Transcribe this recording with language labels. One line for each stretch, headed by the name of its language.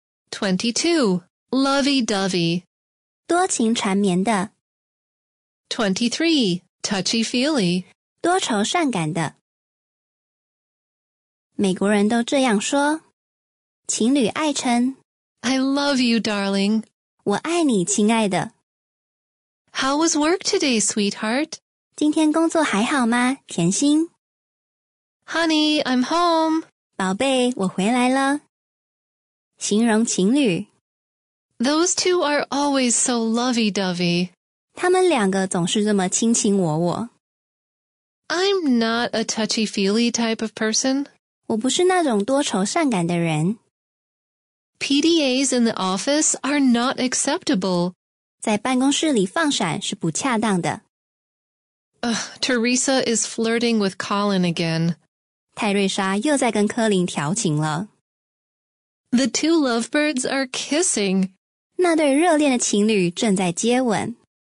English: 22. Lovey-dovey,
Chinese: 多情缠绵的
English: 23. Touchy-feely,
Chinese: 多愁善感的美国人都这样说情侣爱称
English: I love you, darling.
Chinese: 我爱你，亲爱的。
English: How was work today, sweetheart?
Chinese: 今天工作还好吗，甜心
English: ？Honey, I'm home.
Chinese: 宝贝，我回来了。形容情侣。
English: Those two are always so lovey-dovey.
Chinese: 他们两个总是这么卿卿我我。
English: I'm not a touchy-feely type of person.
Chinese: 我不是那种多愁善感的人。
English: PDAs in the office are not acceptable.
Chinese: 在办公室里放闪是不恰当的。
English: Teresa is flirting with Colin again.
Chinese: 泰瑞莎又在跟柯林调情了。
English: The two lovebirds are kissing.
Chinese: 那对热恋的情侣正在接吻。